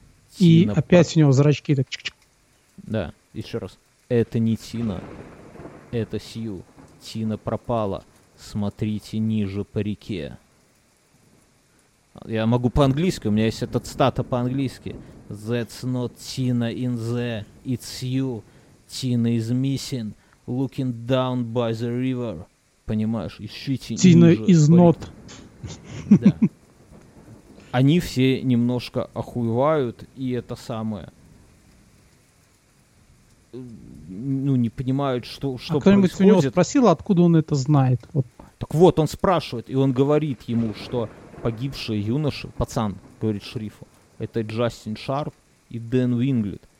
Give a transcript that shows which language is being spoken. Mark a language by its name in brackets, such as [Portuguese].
[Russian] Тина и опять у него зрачки так чик-чик. Да, еще раз. Это не Тина, это Сью. Тина пропала. Смотрите ниже по реке. Я могу по-английски, у меня есть этот стата по-английски. [English] That's not Tina in the, it's you. Tina is missing, looking down by the river. [Russian] Понимаешь, ищите [English] Tina [Russian] ниже. [English] Tina is not. [Russian] Да. Они все немножко охуевают, и это самое. Ну, не понимают, что кто-нибудь Кто-нибудь у него спросил, откуда он это знает? Вот. Так вот, он спрашивает, и он говорит ему, что погибшие юноши, пацан, говорит шерифу, это Джастин Шарп и Дэн Уинглет.